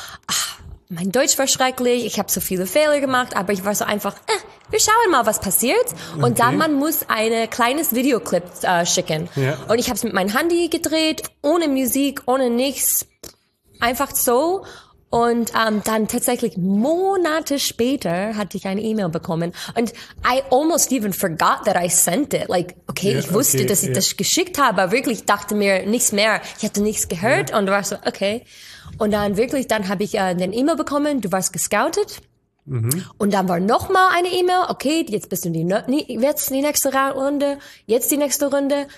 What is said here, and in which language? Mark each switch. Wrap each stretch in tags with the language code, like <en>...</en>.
<de>Ach, mein Deutsch war schrecklich, ich habe so viele Fehler gemacht, aber ich war so einfach, wir schauen mal, was passiert. Und dann, man muss ein kleines Videoclip schicken. Ja. Und ich habe es mit meinem Handy gedreht, ohne Musik, ohne nichts, einfach so. Und dann tatsächlich Monate später hatte ich eine E-Mail bekommen.</de> <en>Und I almost even forgot that I sent it.</en> <de>Like, okay, ich wusste, dass ich das geschickt habe, aber wirklich dachte mir nichts mehr. Ich hatte nichts gehört und war so, okay. Und dann wirklich, dann habe ich den E-Mail bekommen, du warst gescoutet. Und dann war noch mal eine E-Mail, okay, jetzt bist du die nächste Runde, jetzt die nächste Runde.</de>